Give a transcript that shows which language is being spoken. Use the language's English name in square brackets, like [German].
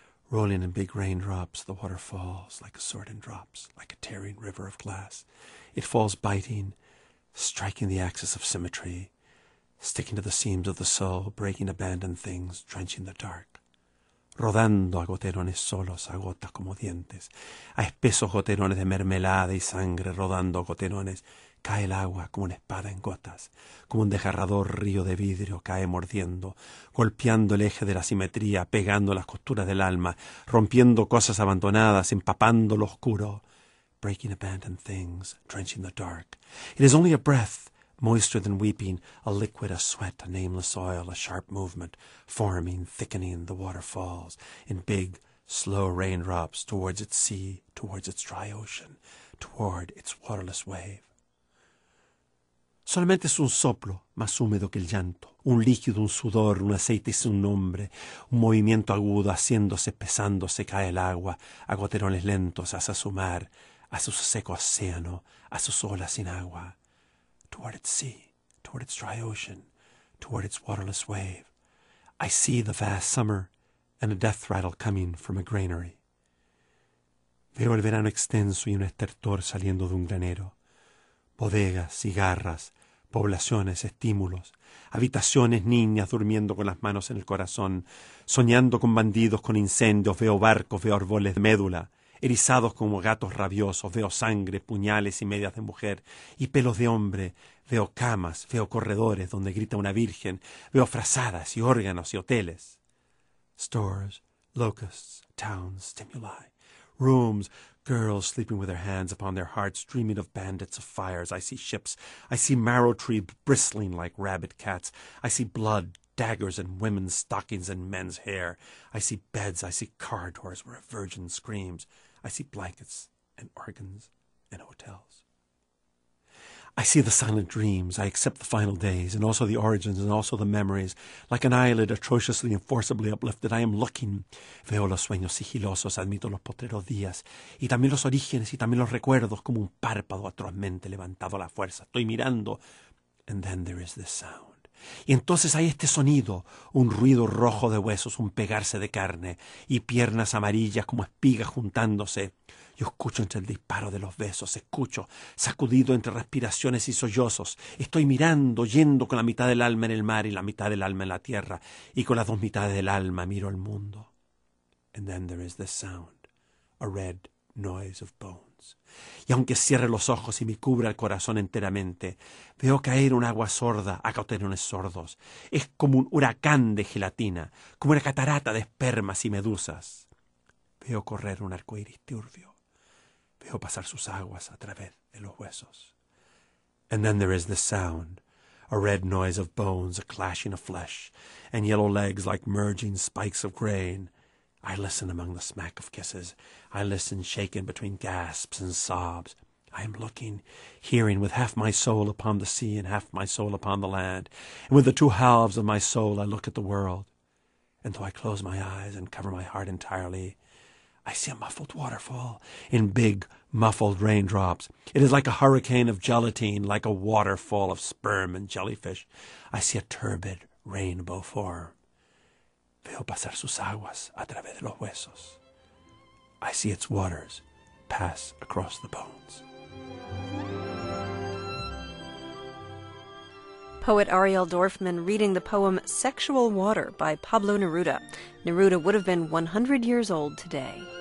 [English] Rolling in big raindrops, the water falls like a sword in drops, like a tearing river of glass. It falls biting, striking the axis of symmetry, sticking to the seams of the soul, breaking abandoned things, drenching the dark. [Spanish] Rodando a goterones solos, agota como dientes. A espesos goterones de mermelada y sangre, rodando a goterones, cae el agua como una espada en gotas, como un desgarrador río de vidrio cae mordiendo, golpeando el eje de la simetría, pegando las costuras del alma, rompiendo cosas abandonadas, empapando lo oscuro. [English] Breaking abandoned things, drenching the dark. It is only a breath, moister than weeping, a liquid, a sweat, a nameless oil, a sharp movement, forming, thickening, the water falls in big, slow raindrops towards its sea, towards its dry ocean, toward its waterless wave. [Spanish] Solamente es un soplo, más húmedo que el llanto, un líquido, un sudor, un aceite sin nombre, un movimiento agudo haciéndose, pesándose, cae el agua, a goterones lentos, hacia su mar, hacia su seco océano, a sus olas sin agua. [English] Toward its sea, toward its dry ocean, toward its waterless wave. I see the vast summer and a death rattle coming from a granary. [Spanish] Veo el verano extenso y un estertor saliendo de un granero. Bodegas, cigarras, poblaciones, estímulos, habitaciones, niñas durmiendo con las manos en el corazón, soñando con bandidos, con incendios. Veo barcos, veo árboles de médula, erizados como gatos rabiosos. Veo sangre, puñales y medias de mujer y pelos de hombre. Veo camas, veo corredores donde grita una virgen. Veo frazadas y órganos y hoteles. [English] Stores, locusts, towns, stimuli. Rooms, girls sleeping with their hands upon their hearts, dreaming of bandits, of fires. I see ships. I see marrow trees bristling like rabid cats. I see blood, daggers and women's stockings and men's hair. I see beds. I see corridors where a virgin screams. I see blankets and organs and hotels. I see the silent dreams. I accept the final days and also the origins and also the memories. Like an eyelid atrociously and forcibly uplifted, I am looking. [Spanish] Veo los sueños sigilosos, admito los potreros días y también los orígenes y también los recuerdos como un párpado atrozmente levantado a la fuerza. Estoy mirando. [English] And then there is this sound. [Spanish] Y entonces hay este sonido, un ruido rojo de huesos, un pegarse de carne y piernas amarillas como espigas juntándose. Yo escucho entre el disparo de los besos, escucho, sacudido entre respiraciones y sollozos. Estoy mirando, yendo con la mitad del alma en el mar y la mitad del alma en la tierra. Y con las dos mitades del alma miro el mundo. [English] And then there is the sound, a red noise of bones. [Spanish] Y aunque cierre los ojos y me cubra el corazón enteramente, veo caer un agua sorda a cauterones sordos. Es como un huracán de gelatina, como una catarata de espermas y medusas. Veo correr un arco iris turbio. Veo pasar sus aguas a través de los huesos. [English] And then there is the sound, a red noise of bones, a clashing of flesh, and yellow legs like merging spikes of grain. I listen among the smack of kisses. I listen shaken between gasps and sobs. I am looking, hearing with half my soul upon the sea and half my soul upon the land. And with the two halves of my soul, I look at the world. And though I close my eyes and cover my heart entirely, I see a muffled waterfall in big, muffled raindrops. It is like a hurricane of gelatine, like a waterfall of sperm and jellyfish. I see a turbid rainbow form. [Spanish] Veo pasar sus aguas a través de los huesos. [English] I see its waters pass across the bones. Poet Ariel Dorfman reading the poem Sexual Water by Pablo Neruda. Neruda would have been 100 years old today.